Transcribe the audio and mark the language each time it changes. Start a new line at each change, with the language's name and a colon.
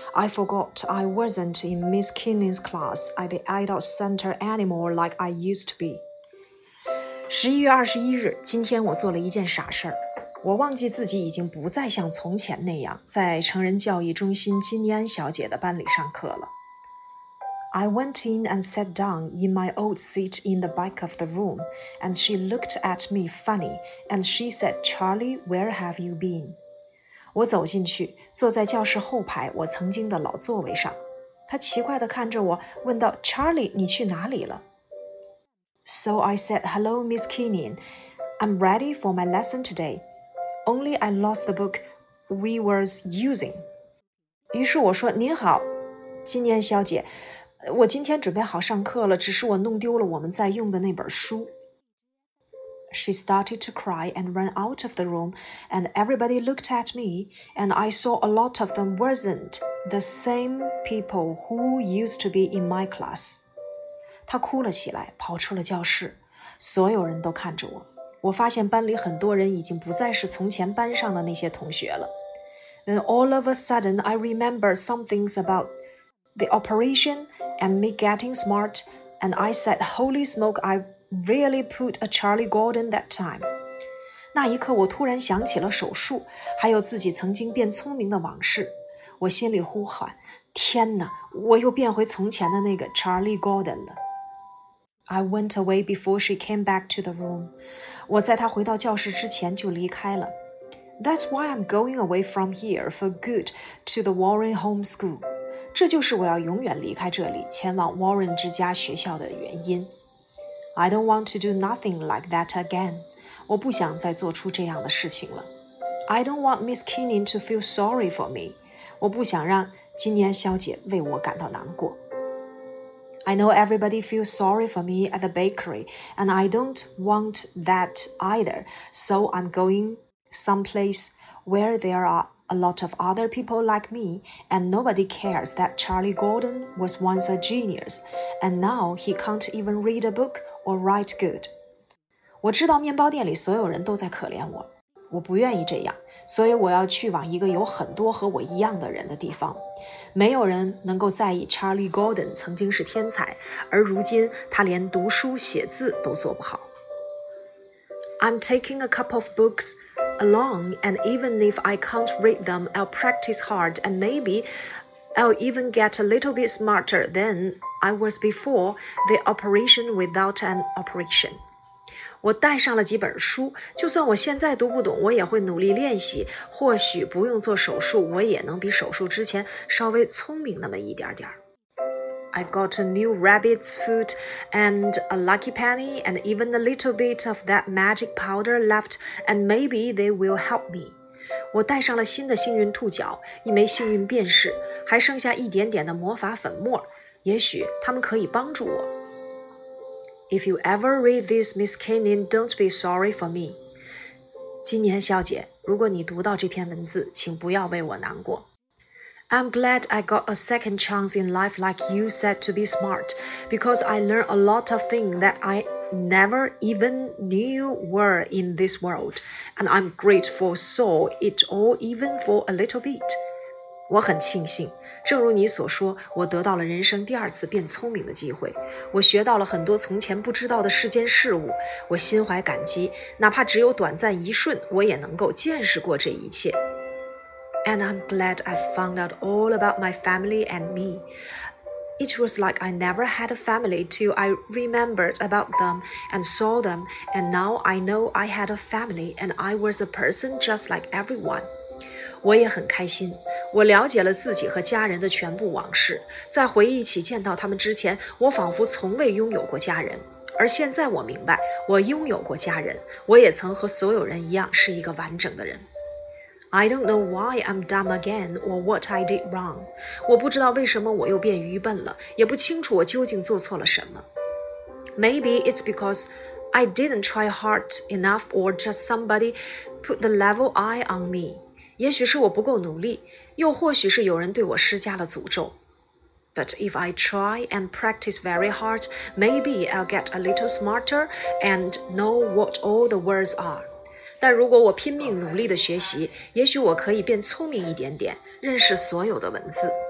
English: I forgot I wasn't in Miss Kinney's class at the adult center anymore like I used to be.
Chinese: 11月21日，今天我做了一件傻事儿。我忘记自己已经不再像从前那样在成人教育中心金妮安小姐的班里上课了。
English: I went in and sat down in my old seat in the back of the room, and she looked at me funny, and she said, Charlie, where have you been?
Chinese: 我走进去，坐在教室后排我曾经的老座位上。她奇怪地看着我，问道 ,Charlie, 你去哪里了？
English: So I said, hello, Miss Kinney. I'm ready for my lesson today. Only I lost the book we were using.
Chinese: 于是我说，您好，金妮安小姐，我今天准备好上课了，只是我弄丢了我们在用的那本书。
English: She started to cry and ran out of the room, and everybody looked at me, and I saw a lot of them wasn't the same people who used to be in my class.
Chinese: 他哭了起来，跑出了教室。所有人都看着我。我发现班里很多人已经不再是从前班上的那些同学了。
English: Then all of a sudden, I remember some things about the operation and me getting smart, and I said, holy smoke, I really put a Charlie Gordon that time.
Chinese: 那一刻我突然想起了手术，还有自己曾经变聪明的往事。我心里呼喊，天哪，我又变回从前的那个 Charlie Gordon 了。
English: I went away before she came back to the room.
Chinese: 我在她回到教室之前就离开了。
English: That's why I'm going away from here for good to the Warren Home School.
Chinese: 这就是我要永远离开这里，前往 Warren 之家学校的原因。
English: I don't want to do nothing like that again.
Chinese: 我不想再做出这样的事情了。
English: I don't want Miss Kinney to feel sorry for me.
Chinese: 我不想让金妮安小姐为我感到难过。
English: I know everybody feels sorry for me at the bakery, and I don't want that either, so I'm going someplace where there are a lot of other people like me, and nobody cares that Charlie Gordon was once a genius, and now he can't even read a book or write good.
Chinese: 我知道面包店里所有人都在可怜我，我不愿意这样，所以我要去往一个有很多和我一样的人的地方。没有人能够在意 Charlie Gordon 曾经是天才，而如今他连读书写字都做不好。
English: I'm taking a couple of books along, and even if I can't read them, I'll practice hard, and maybe I'll even get a little bit smarter than I was before the operation without an operation.
Chinese: 我带上了几本书，就算我现在读不懂，我也会努力练习。或许不用做手术，我也能比手术之前稍微聪明那么一点点。
English: I got a new rabbit's foot and a lucky penny and even a little bit of that magic powder left, and maybe they will help me.
Chinese: 我带上了新的幸运兔角，一枚幸运便士，还剩下一点点的魔法粉末，也许他们可以帮助我。
English: If you ever read this, Miss Kinney, don't be sorry for me.
Chinese: 金妮安小姐，如果你读到这篇文字，请不要为我难过。
English: I'm glad I got a second chance in life like you said to be smart, because I learned a lot of things that I never even knew were in this world, and I'm grateful for it all even for a little bit.
Chinese: 我很庆幸。正如你所说，我得到了人生第二次变聪明的机会。我学到了很多从前不知道的世间事物。我心怀感激，哪怕只有短暂一瞬，我也能够见识过这一切。
English: And I'm glad I found out all about my family and me. It was like I never had a family till I remembered about them and saw them. And now I know I had a family and I was a person just like everyone.
Chinese: 我也很开心，我了解了自己和家人的全部往事，在回忆起见到他们之前，我仿佛从未拥有过家人，而现在我明白，我拥有过家人，我也曾和所有人一样是一个完整的人。
English: I don't know why I'm dumb again or what I did wrong.
Chinese: 我不知道为什么我又变愚笨了，也不清楚我究竟做错了什么。
English: Maybe it's because I didn't try hard enough or just somebody put the level eye on me.
Chinese: 也许是我不够努力，又或许是有人对我施加了诅咒。
English: But if I try and practice very hard, maybe I'll get a little smarter and know what all the words are.
Chinese: 但如果我拼命努力地学习，也许我可以变聪明一点点，认识所有的文字。